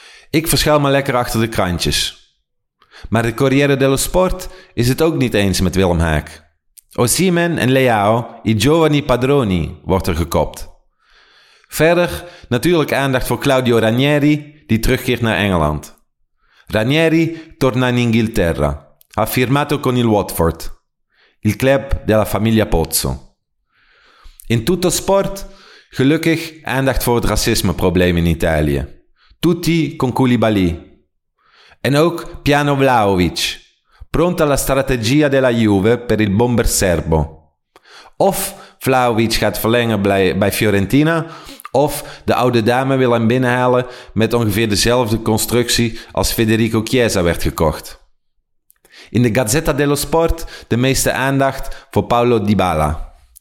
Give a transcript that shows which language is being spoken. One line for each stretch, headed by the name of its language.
Dutch: Ik verschuil me lekker achter de krantjes. Maar de Corriere dello Sport is het ook niet eens met Willem Haak. Osimhen en Leao,
Italian: i giovani padroni,
Dutch: wordt er gekopt. Verder natuurlijk aandacht voor Claudio Ranieri, die terugkeert naar Engeland.
Italian: Ranieri torna in Inghilterra, ha firmato con il Watford, il club della famiglia Pozzo.
Dutch: In tutto sport, gelukkig aandacht voor het racismeprobleem in Italië.
Italian: Tutti con Koulibaly.
Dutch: En ook
Italian: Piano Vlahovic. Pronta la strategia della Juve per il bomber serbo.
Dutch: Of Vlahovic gaat verlengen bij Fiorentina, of de oude dame wil hem binnenhalen met ongeveer dezelfde constructie als Federico Chiesa werd gekocht. In de Gazzetta dello Sport de meeste aandacht voor Paulo Dybala.